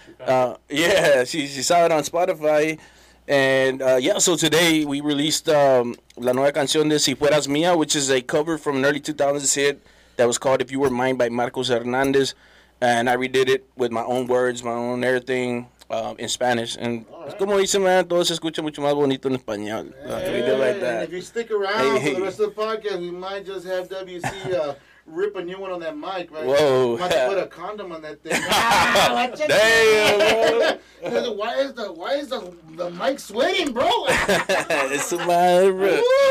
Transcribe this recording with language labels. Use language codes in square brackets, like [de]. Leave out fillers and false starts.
[en] She saw it on Spotify. And, yeah, so today we released La Nueva Canción de Si Fueras Mía, which is a cover from an early 2000s hit that was called If You Were Mine by Marcos Hernandez. And I redid it with my own words, my own everything. In Spanish, and right. [es] Como dice, man, todo se escucha mucho más bonito en español. [en] Hey, we do like that. If you stick around for the rest of the podcast, we might just have WC rip a new one on that mic, right? Whoa, might put a condom on that thing. Damn, bro. why is the mic sweating, bro? It's a mad rip.